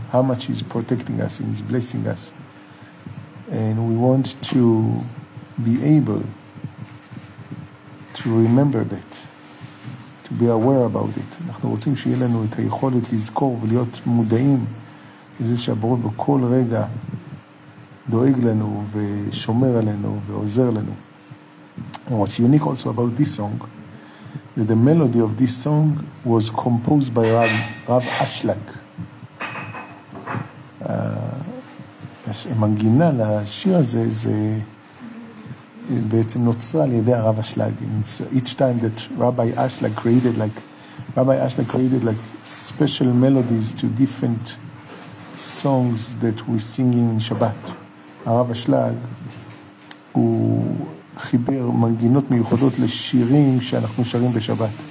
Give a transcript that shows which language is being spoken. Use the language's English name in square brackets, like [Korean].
[English] How much he's protecting us and he's blessing us. And we want to be able to remember that, to be aware about it. [Hebrew] אנחנו רוצים שיהיה לנו את היכולת לזכור ולהיות מודעים לזה שהבורא בכל רגע דואג לנו ושומר עלינו ועוזר לנו. [English] And what's unique also about this song, that the melody of this song was composed by Rav Ashlag. [Hebrew] המנגינה לשיר הזה זה בעצם נוצרה על ידי הרב אשלג. [English] Each time that Rabbi Ashlag created like special melodies to different songs that we sing in Shabbat. [Hebrew] הרב אשלג הוא חיבר מנגינות מיוחדות לשירים שאנחנו שרים בשבת.